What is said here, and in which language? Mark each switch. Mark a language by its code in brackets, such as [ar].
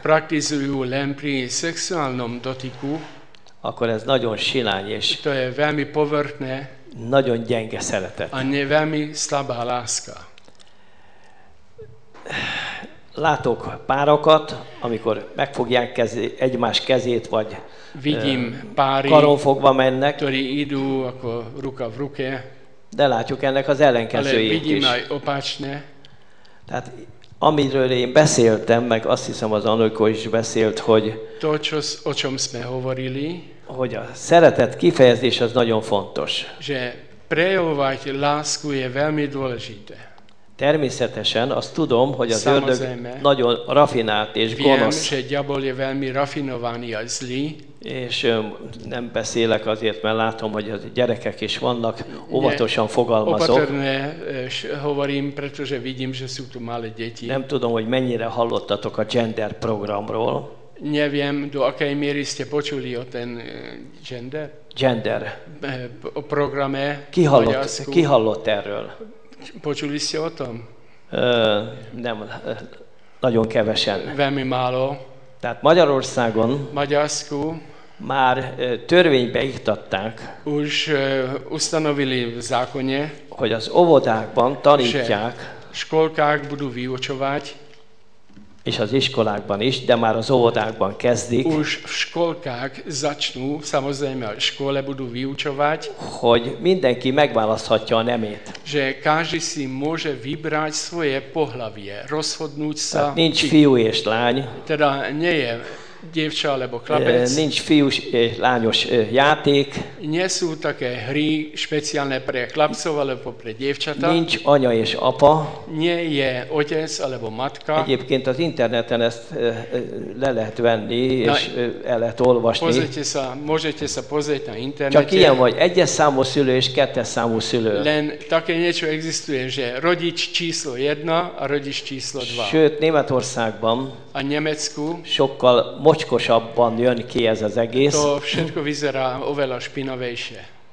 [sk] praktizujú len pri szexuálnom dotiku, [hu] akkor ez nagyon silány és [sk] to je veľmi povrchné, [hu] nagyon gyenge szeretet. [sk] A ne veľmi slabá láska. [hu] Látok párokat, amikor megfogják egymás kezét, vagy [sk] vidím páry, [hu] karonfogva mennek, [sk] ktorí idú ako ruka v ruke, [hu] de látjuk ennek az ellenkezőjét is. [sk] Ale vidím aj opačné. [hu] Tehát, amiről én beszéltem, meg azt hiszem az Anolko is beszélt, hogy [sk] to, o čom sme hovorili, [hu] hogy a szeretet kifejezés az nagyon fontos. [sk] Že prejavovať lásku je veľmi dôležité. [hu] Természetesen azt tudom, hogy az ördög nagyon rafinált és gonosz. [sk] Viem, že diabol je veľmi rafinovaný a zlý. [hu] És nem beszélek azért, mert látom, hogy a gyerekek is vannak, óvatosan fogalmazok. [sk] Opatrne hovorím, pretože vidím, že sú tu malé deti. [hu] Nem tudom, hogy mennyire hallottatok a gender programról. [sk] Neviem, do akej miery ste počuli o ten gender? Gender. O programe. [hu] Ki hallott erről? [sk] Počuli ste o tom? [hu] Nem, nagyon kevesen. [sk] Veľmi málo. [hu] Tehát Magyarországon [sk] Magyarsku [hu] már törvénybe iktatták, [sk] už ustanovili v zákone, [hu] hogy az óvodákban tanítják, [sk] školkák budú vyučovať, [hu] és az iskolákban is, de már az óvodákban kezdik, [sk] už v školkák začnú, samozrejme a škole budú vyučovať, [hu] hogy mindenki megválaszthatja a nemét. [sk] Že každý si môže vybrať svoje pohlavie, rozhodnúť sa. [hu] Tehát nincs fiú és lány. [sk] Teda nie je dievča alebo klapec. [hu] Nincs fiú és lányos játék. [sk] Nie sú také hry špeciálne pre chlapcov alebo pre dievčata. [hu] Nincs anya és apa. [sk] Nie je otec alebo matka. [hu] Egyébként az interneten ezt le lehet venni és el lehet olvasni. [sk] Môžete sa pozrieť na internete. [hu] Csak ilyen vagy egyes számú szülő és kettes számú szülő. [sk] Len také niečo existuje, že rodič číslo 1 a rodič číslo 2. [hu] Sőt, Németországban [sk] a Nemecku [hu] sokkal mocskosabban jön ki ez az egész. [sk] To všetko vyzerá oveľa špinavejšie.